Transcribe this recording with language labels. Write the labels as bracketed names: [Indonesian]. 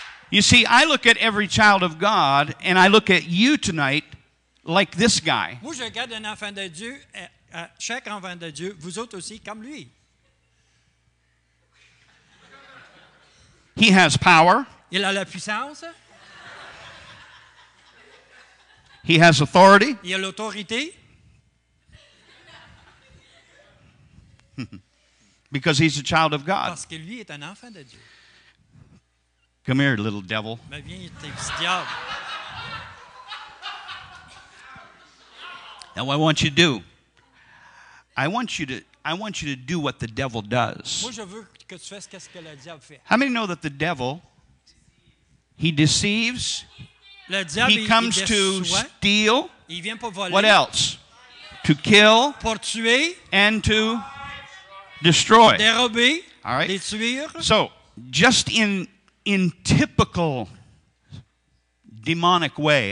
[English] You see, I look at every child of God, and I look at you tonight like this guy. [French] Moi, je regarde un enfant de Dieu, chaque enfant de Dieu, vous autres aussi, comme lui. [English] He has power. [French] Il a la puissance. [English] He has authority. [French] Il a l'autorité. [English] Because he's a child of God. [French] Parce que lui est un enfant de Dieu. [English] Come here, little devil. [French] Mais viens, t'es petit diable. [English] Now what I want you to do, I want you to do what the devil does. [French] Moi, je veux que tu fasses qu'est-ce que le diable fait. [English] How many know that the devil, he deceives? [French] Le diable, [English] he comes [French] il [English] to steal. [French] Il vient pour voler. [English] What else? To kill. [French] Pour tuer. [English] And to destroy. [French] Dérober. [English] All right. [French] Détruire. [English] So, just in typical demonic way,